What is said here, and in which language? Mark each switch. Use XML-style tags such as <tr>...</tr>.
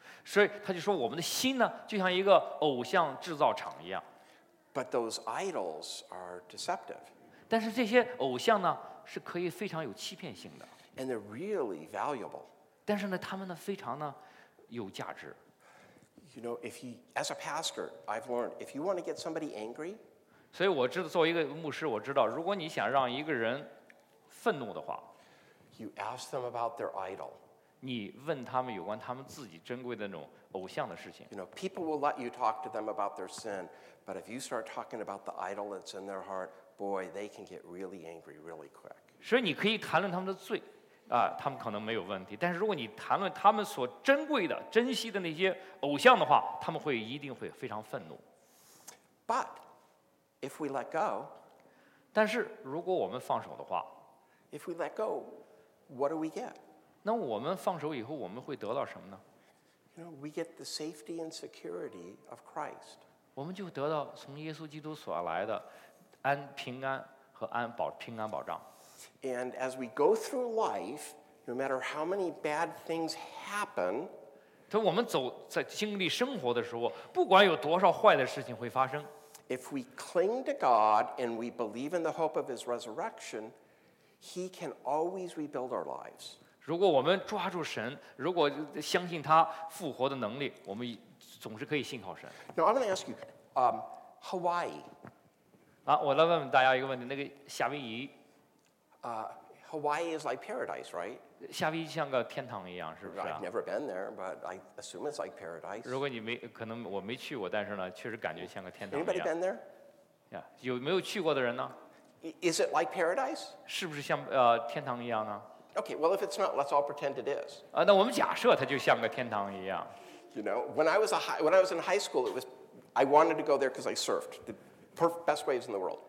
<zh>所以他就说我们的心呢就像一个偶像制造厂一样。</zh> <en>But those idols are deceptive.</en> <zh>但是这些偶像呢是可以非常有欺骗性的。</zh> <en>And they're really valuable.</en> <zh>但是呢他们呢非常呢有价值。</zh> <en>You know, as a pastor, I've learned, if you want to get somebody angry,</en> <zh>所以我知道作为一个牧师我知道如果你想让一个人愤怒的话</zh> <en>you ask them about their idol.</en> <zh>你问他们有关他们自己珍贵的那种偶像的事情。</zh> <en>You know, people will let you talk to them about their sin, but if you start talking about the idol that's in their heart, boy, they can get really angry really quick.</en> <zh>所以你可以谈论他们的罪，他们可能没有问题。但是如果你谈论他们所珍贵的、珍惜的那些偶像的话，他们会一定会非常愤怒。</zh> <en>But if we let go,</en> <zh>但是如果我们放手的话。</zh> <en>If we let go, what do we get?</en> <zh>那我们放手以后，我们会得到什么呢？</zh> <en>You know, we get the safety and security of Christ.</en> <zh>我们就得到从耶稣基督所来的安平安和安保平安保障。</zh> <en>And as we go through life, no matter how many bad things happen,</en> <zh>当我们走在经历生活的时候，不管有多少坏的事情会发生。</zh> <en>If we cling to God and we believe in the hope of His resurrection. He can always rebuild our lives.</en> <zh>如果我们抓住神，如果相信他复活的能力，我们总是可以信靠神。</zh> <en>Now I'm going to ask you, Hawaii.</en> <zh>啊，我来问问大家一个问题，那个夏威夷。</zh> <en>Hawaii is like paradise, right?</en> <zh>夏威夷像个天堂一样，是不是、啊、</zh> <en>？I've never been there, but I assume it's like paradise.</en> <zh>如果你没可能我没去过，但是呢，确实感觉像个天堂一</zh> <en>样。Anybody been there?</en> <zh>Yeah, 有没有去过的人呢？</zh> <en>Is it like paradise?</en> <zh>是不是像天堂一样呢</zh> <en>？Okay, well, if it's not, let's all pretend it is.</en> <zh>啊，那我们假设它就像个天堂一样。</zh> <en>You know, when I was in high school, I wanted to go there because I surfed the best waves in the world.</en>